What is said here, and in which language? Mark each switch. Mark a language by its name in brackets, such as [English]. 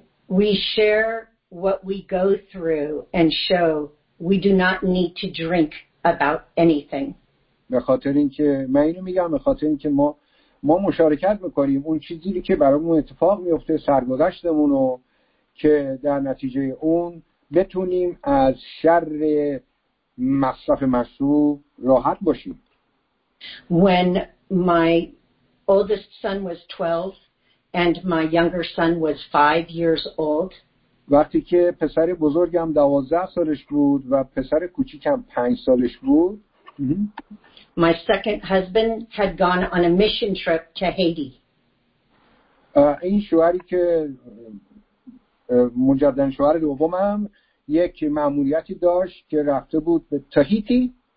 [English] We share what we go through and show we do not need to drink about anything. [Persian] به خاطر اینکه من اینو میگم به خاطر اینکه ما مشارکت میکنیم اون چیزی که برامون اتفاق میفته سرگذشتمون رو که در نتیجه اون بتونیم از شر مصرف مشروع راحت باشیم. [English] When my oldest son was 12 and my younger son was 5 years old. [Persian] وقتی که پسر بزرگم 12 سالش بود و پسر کوچیکم 5 سالش بود. [English] My second husband had gone on a mission trip to Haiti. [Persian] این شوهری که مجدداً شوهر دومم یک ماموریتی داشت که رفته بود به تاهیتی.